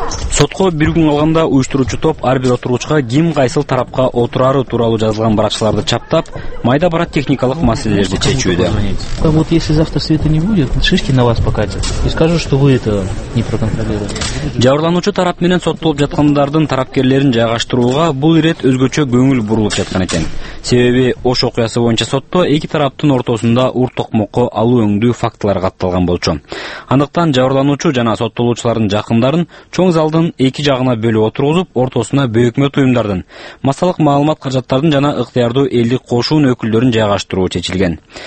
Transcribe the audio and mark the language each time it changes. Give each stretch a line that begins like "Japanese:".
Kyrgyz: Сотко бир күн калганда уюштуруучу топ ар бир отургучка ким кайсыл тарапка отурары тууралуу жазылган баракчаларды чаптап, майда бара техникалык маселелерди чечүүдө.
Russian: Вот если завтра света не будет, шишки на вас покатят и скажут, что вы это не проконтролировали.
Kyrgyz: Жабырлануучу тарап менен соттолуп жаткандардын тарапкерлерин жайгаштырууга бул ирет өзгөчө көңүл бурулуп жаткан экен. Себеби Ош окуясы боюнча сотто эки тараптын ортосунда урток-мокко алуу өңдүү фактылар катталган болчу. Андыктан жабырлануучу жана соттолуучулардын жакындарын чоң залдын эки жагына бөлүп отургузуп, ортосуна бөөкмөт уюмдардын, массалык маалымат каражаттардын жана ыктыярдуу элдик кошуунун өкүлдөрүн жайгаштыруу чечилген.